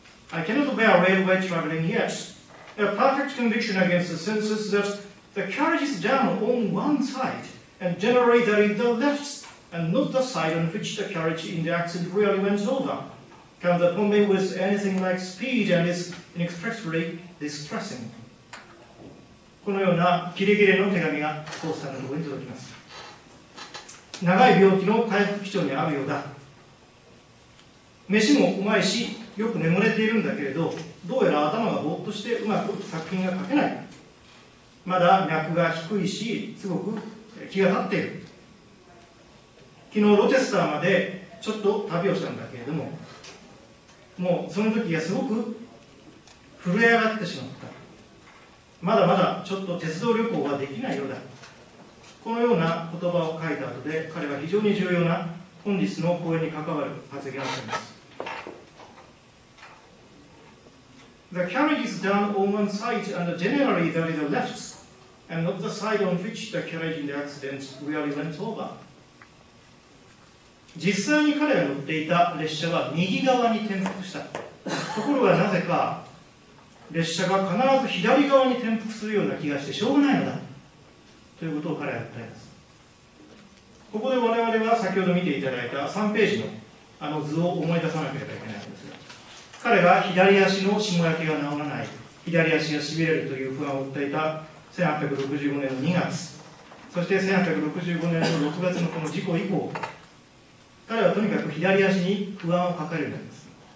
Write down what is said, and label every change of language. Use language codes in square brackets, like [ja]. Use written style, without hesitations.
[en] I cannot bear railway travelling yet. A perfect conviction against the senses that the carriage is down on one side and generator in the left, and not the side on which the carriage in the accident really went over, comes upon me with anything like speed and is inexpressibly distressing. [ja] このようなキレキレの手紙がフォースターのところに届きます。長い病気の回復基調にあるようだ。飯もうまいし、よく眠れているんだけれど、どうやら頭がぼーっとしてうまく作品が書けない。まだ脈が低いし、すごく気が立っている。昨日ロチェスターまでちょっと旅をしたんだけれども、もうその時はすごく震え上がってしまう。まだまだちょっと鉄道旅行はできないようだ。このような言葉を書いた後で、彼は非常に重要な本日の講演に関わる発言をしています。 [en] The carriage is down on one side and generally that is the left and not the side on which the carriage in the accident really went over. [ja] 実際に彼が乗っていた列車は右側に転覆した。ところがなぜか、列車が必ず左側に転覆するような気がしてしょうがないのだということを彼は訴えます。ここで我々は先ほど見ていただいた3ページのあの図を思い出さなければいけないんですが、彼が左足のしもやけが治らない、左足がしびれるという不安を訴えた1865年の2月、そして1865年の6月のこの事故以降、彼はとにかく左足に不安を抱えるようになります。